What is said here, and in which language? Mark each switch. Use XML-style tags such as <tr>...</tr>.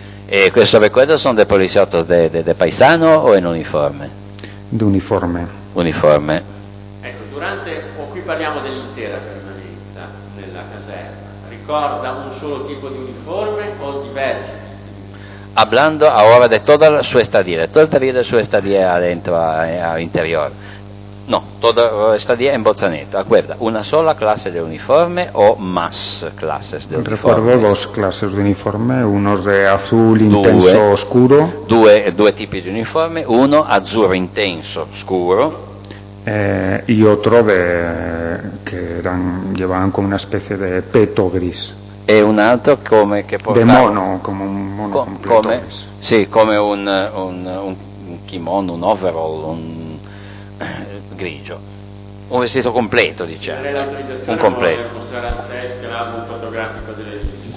<it>E questo ricordo sono dei poliziotti de paisano o in uniforme? D'uniforme. Uniforme. Ecco, durante, o qui parliamo dell'intera permanenza nella caserma, ricorda un solo tipo di uniforme o diversi?</it> <es>Hablando ahora de toda su estadía, de todo el periodo de su estadía adentro, al interior. No, toda estadía en Bolzaneto. Acuerda, ¿una sola clase de uniforme o más clases de uniforme? Recuerdo dos clases de uniforme, unos de azul intenso oscuro.</es> <it>Due tipi de uniforme, uno azzurro intenso scuro.</it> <es>Y otro de que eran llevaban como una especie de peto gris.</es> <it>E un altro come che portava...</it> <es>De mono, come un mono completo.</es> <it>Come, sì, come un kimono, un overall, un grigio. Un vestito completo, diciamo. Un completo. Mostrare al test l'album fotografico dell'edificio.</it>